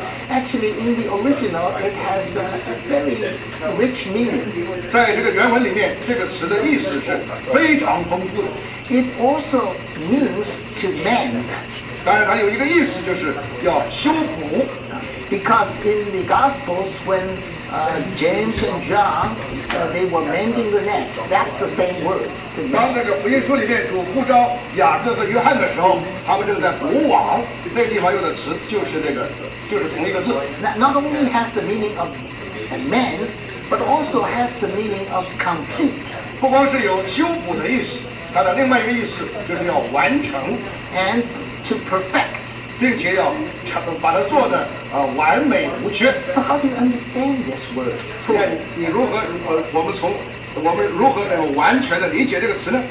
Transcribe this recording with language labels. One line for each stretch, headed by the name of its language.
English: Actually, in the original, it has a very rich meaning.
Chinese: 在这个原文里面，这个词的意思是非常丰富的。
English: It also means to mend.
Chinese: 当然，它有一个意思就是要修补。
English: Because in the Gospels, when James and John, they were mending the net, that's the same word.
Chinese: 当那个福音书里面主呼召雅各和约翰的时候，他们正在补网，这地方用的词就是这个，就是同一个字。
English: Not only has the meaning of mend, but also has the meaning of complete.
Chinese: 不光是有修补的意思，它的另外一个意思就是要完成
English: and to perfect.
Chinese: 并且要把它做得完美无缺。
English: So how do you understand this word?
Chinese: 你如何我们如何能完全的理解这个词呢